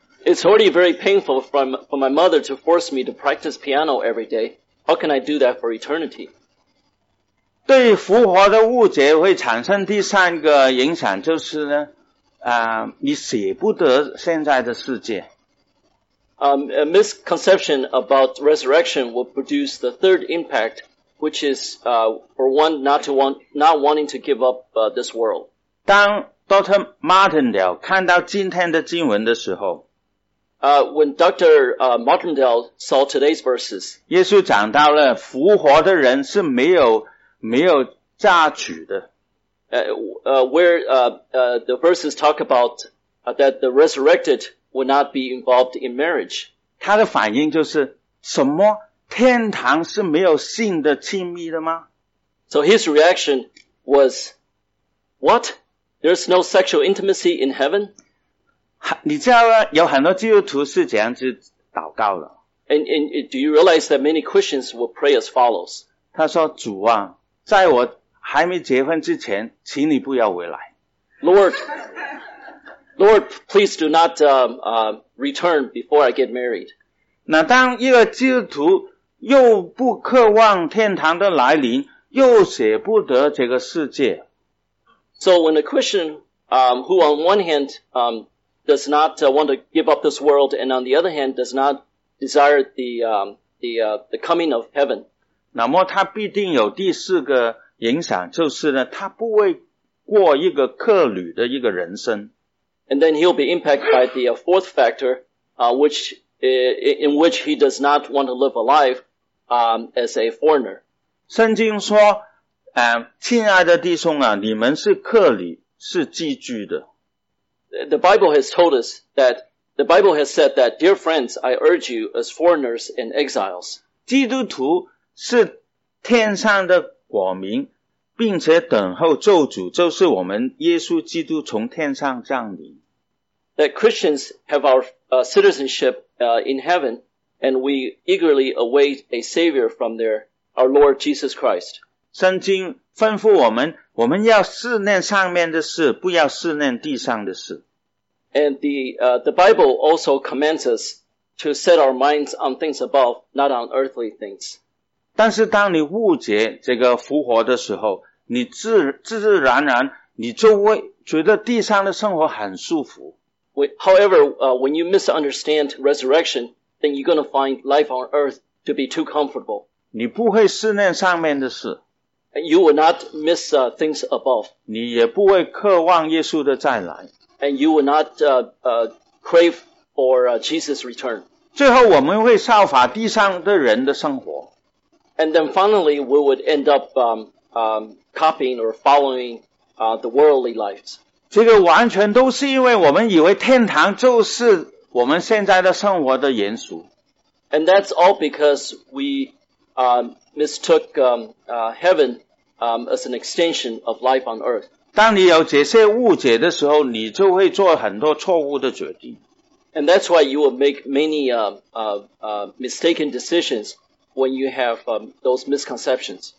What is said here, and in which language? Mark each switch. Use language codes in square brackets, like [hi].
[en] It's already very painful for my mother to force me to practice piano every day. How can I do that for eternity? [zh] 对复活的误解会产生第三个影响，就是呢，你舍不得现在的世界。 [en] A misconception about resurrection will produce the third impact, which is for one not wanting to give up this world. [zh] 当 Dr. Martindale 看到今天的经文的时候， [en] When Dr. Martindale saw today's verses, [zh] 耶稣讲到了复活的人是没有榨取的。 [en] The verses talk about that the resurrected would not be involved in marriage. [zh] 他的反应就是什么？天堂是没有性的亲密的吗？ [en] So his reaction was, what? There's no sexual intimacy in heaven? [zh] 你知道有很多基督徒是怎样去祷告的。 [en] And do you realize that many Christians will pray as follows? [zh] 他说，主啊，在我还没结婚之前，请你不要回来。 [en] Lord, please do not return before I get married. [zh] 那当一个基督徒又不渴望天堂的来临，又舍不得这个世界。 [en] So when a Christian, who on one hand, does not want to give up this world, and on the other hand does not desire the coming of heaven. [zh] 那么他必定有第四个影响，就是呢，他不会过一个客旅的一个人生。 [en] And then he'll be impacted by the fourth factor, which he does not want to live a life, as a foreigner. [zh] 圣经说，亲爱的弟兄啊，你们是客旅，是寄居的。 [en] The Bible has told us that, the Bible has said that, dear friends, I urge you as foreigners and exiles. [zh] 基督徒是天上的国民，并且等候救主，就是我们耶稣基督从天上降临。 [en] That Christians have our citizenship in heaven, and we eagerly await a Savior from there, our Lord Jesus Christ. [zh] 圣经吩咐我们，我们要思念上面的事，不要思念地上的事。 [en] And the Bible also commands us to set our minds on things above, not on earthly things. [zh] 但是当你误解这个复活的时候，你 自然你就会觉得地上的生活很舒服。 [en] However, when you misunderstand resurrection, then you're going to find life on earth to be too comfortable. [zh] 你不会思念上面的事。 [en] You will not miss things above. [zh] 你也不会渴望耶稣的再来。 [en] And you will not crave for Jesus' return. [zh] 最后我们会效法地上的人的生活。 [en] And then finally, we would end up copying or following the worldly lives. [zh] 这个完全都是因为我们以为天堂就是我们现在的生活的延续。 [en] And that's all because we mistook heaven as an extension of life on earth. [zh] 当你有这些误解的时候，你就会做很多错误的决定。 [en] And that's why you will make many mistaken decisions when you have those misconceptions.